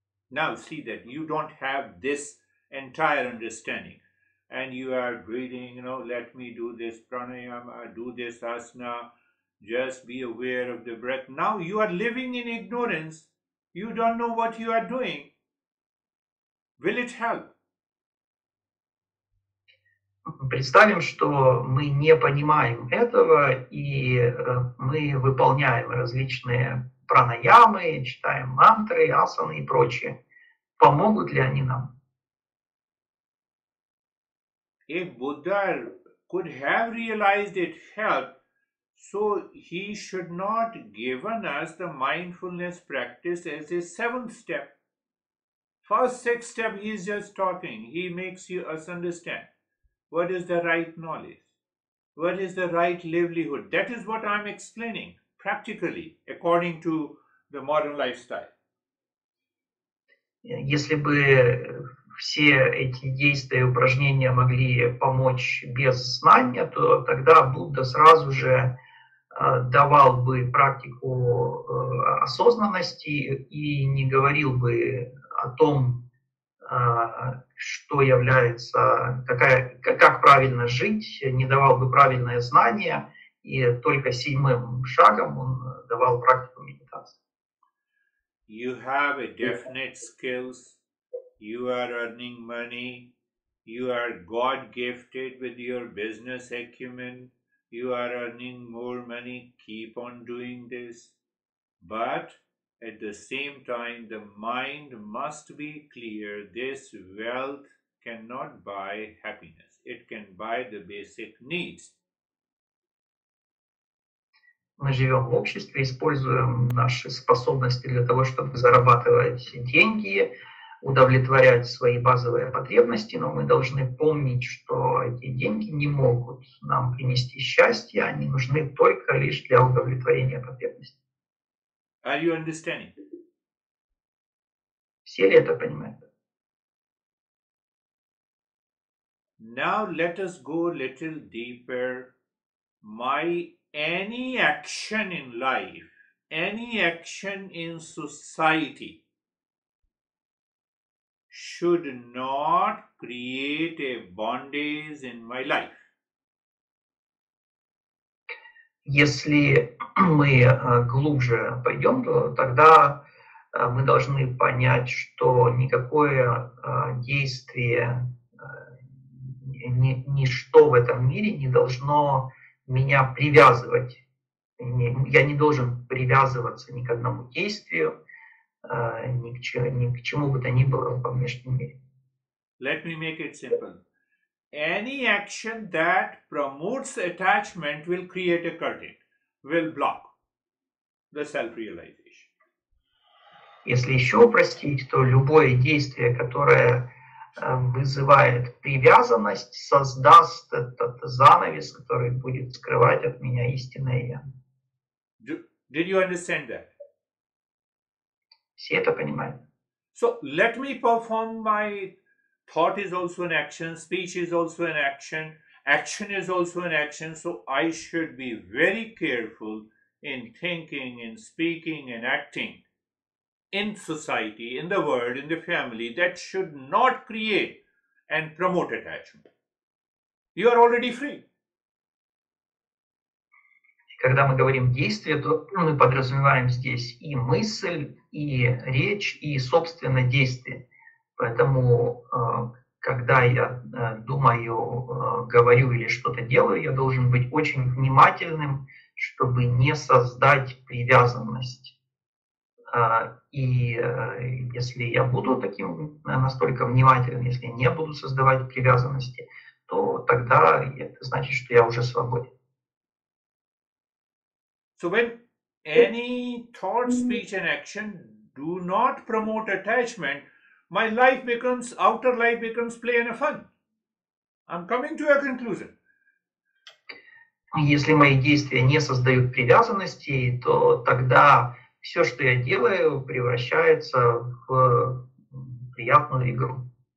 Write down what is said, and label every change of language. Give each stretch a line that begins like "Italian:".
English: Now see that you don't have this entire understanding. And you are breathing, you know, let me do this pranayama, do this asana, just be aware of the breath. Now you are living in ignorance. You don't know what you are doing. Will it help?
Russian: Представим, что мы не понимаем этого, и мы выполняем различные пранаямы, читаем мантры, асаны и прочее. Помогут ли они нам?
English: If Buddha could have realized it helped, so he should not given us the mindfulness practice as a seventh step. First six step he is just talking, he makes you us understand. What is the right knowledge? What is the right livelihood? That is what I'm explaining practically according to the modern lifestyle.
Russian: Если бы все эти действия и упражнения могли помочь без знания, то тогда Будда сразу же давал бы практику осознанности и не говорил бы о том, что является, как правильно жить, не давал бы правильное знание, и только седьмым шагом он давал практику медитации.
English: You have a definite skills, you are earning money, you are God-gifted with your business acumen, you are earning more money, keep on doing this, but at the same time, the mind must be clear. This wealth cannot buy happiness. It can buy the basic needs.
Russian: Мы живем в обществе, используем наши способности для того, чтобы зарабатывать деньги, удовлетворять свои базовые потребности, но мы должны помнить, что эти деньги не могут нам принести счастье, они нужны только лишь для удовлетворения потребностей.
English: Are you understanding?
Russian: Все ли это понимают?
English: Now let us go a little deeper. My any action in life, any action in society should not create a bondage in my life.
Russian: Если мы глубже пойдем, то тогда мы должны понять, что никакое действие, ничто в этом мире не должно меня привязывать. Я не должен привязываться ни к одному действию, ни к чему бы то ни было во внешнем мире.
English: Let me make it simple. Any action that promotes attachment will create a curtain, will block the self-realization.
Russian: Если еще упростить, то любое действие, которое вызывает привязанность, создаст этот занавес, который будет скрывать от меня истинное я.
English: Did you understand that?
Russian: Все это понимают?
English: So let me perform my thought is also an action, speech is also an action, action is also an action, so I should be very careful in thinking, in speaking and acting in society, in the world, in the family, that should not create and promote attachment. You are already free.
Russian: Когда мы говорим действие, то мы подразумеваем здесь и мысль, и речь, и собственно действие. Поэтому, когда я думаю, говорю или что-то делаю, я должен быть очень внимательным, чтобы не создать привязанность. И если я буду таким настолько внимательным, если не буду создавать привязанности, то тогда это значит, что я уже свободен.
English: So when any thought, speech and action do not promote attachment, my life becomes, outer life becomes play and fun. I'm coming to a conclusion.
Russian: Если мои действия не создают привязанности, то тогда все, что я делаю, превращается в приятную игру.